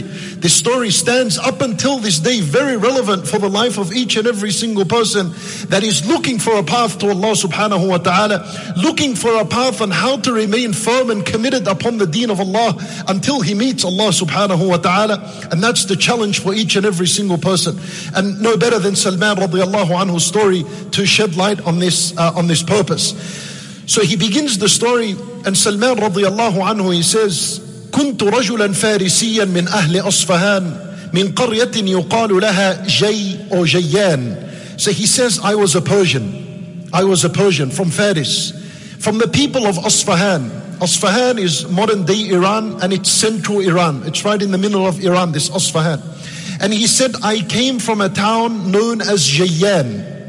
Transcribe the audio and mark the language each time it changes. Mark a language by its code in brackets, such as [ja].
[en] This story stands up until this day very relevant for the life of each and every single person that is looking for a path to Allah subhanahu wa ta'ala, looking for a path on how to remain firm and committed upon the deen of Allah until he meets Allah subhanahu wa ta'ala. And that's the challenge for each and every single person. And no better than Salman radiallahu anhu's story to shed light on this purpose. So he begins the story, and Salman radiallahu anhu, he says, [ar] كنت رجلا فارسيا من أهل أصفهان من قرية يقال لها جي أو جيان. [en] So he says, I was a Persian from Faris, from the people of Asfahan. Asfahan is modern day Iran, and it's central Iran. It's right in the middle of Iran, this Asfahan. And he said, I came from a town known as Jayyan.